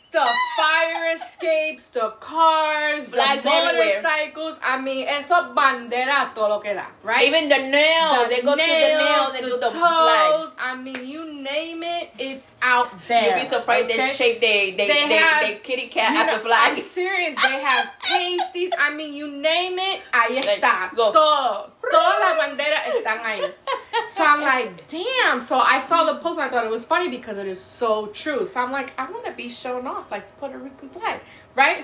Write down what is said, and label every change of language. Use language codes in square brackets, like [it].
[en] The fire escapes, the cars, flags, the motorcycles. Everywhere. I mean, [es] eso bandera todo lo que da, [en] right? Even the nails. They go to the nails, the toes, the flags. I mean, you name it, it's out there. You'd be surprised they shape they kitty cat as a flag. I'm serious. They have pasties. I mean, you name it, [es] ahí está. [en] Go. [es] Toda la bandera están ahí. [en] So I'm like, damn. So I saw the post and I thought it was funny because it is so true. So I'm like, I want to be shown off like the Puerto Rican flag, right?